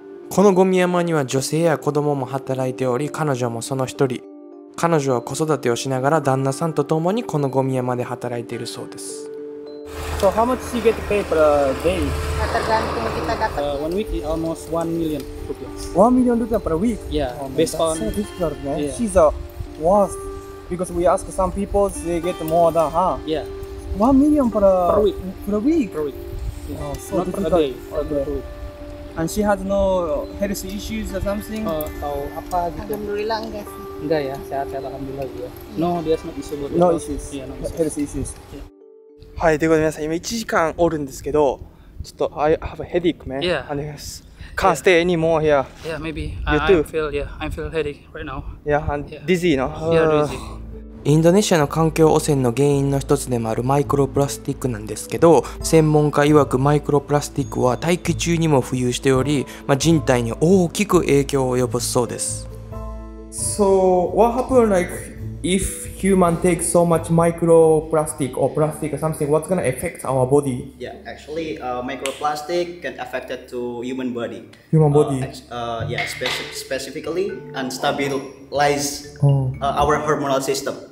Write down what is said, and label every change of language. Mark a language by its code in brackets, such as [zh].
[ja] このゴミ山には女性や子供も働いており、彼女もその一人。彼女は子育てをしながら旦那さんと共にこのゴミ山で働いているそうです。 [en] So how much she get paid per day? [id] Tergantung kita dapat. [en] One week is almost 1 million rupiah. 1 million rupiah per week? Yeah. Oh, based on. That's so difficult, man. Yeah. She's a worst because we ask some people they get more than her. Yeah. 1 million per week. Per week. Yeah. Oh, so not difficult. Per day. Per week. And she has no health issues or something? [id] Apa gitu? Alhamdulillah enggak sih. Enggak ya, sehat ya, alhamdulillah juga. [en] No, there's not issue. No issues. Health issues. [ja] はい、ということで皆さん、今1時間おるんですけど、ちょっと、 [en] I have a headache, man. Yeah. And I just can't stay anymore here. Yeah, maybe. You too? I feel headache right now. Yeah, and dizzy, no? Yeah, dizzy. [ja] インドネシアの環境汚染の原因の一つでもあるマイクロプラスチックなんですけど、専門家曰くマイクロプラスチックは大気中にも浮遊しており、まあ、人体に大きく影響を及ぼすそうです。 [en] So what happened like if human takes so much microplastic or plastic or something, what's gonna affect our body? Yeah, actually microplastic can affect it to human body. Human body? Specifically and stabilize our hormonal system.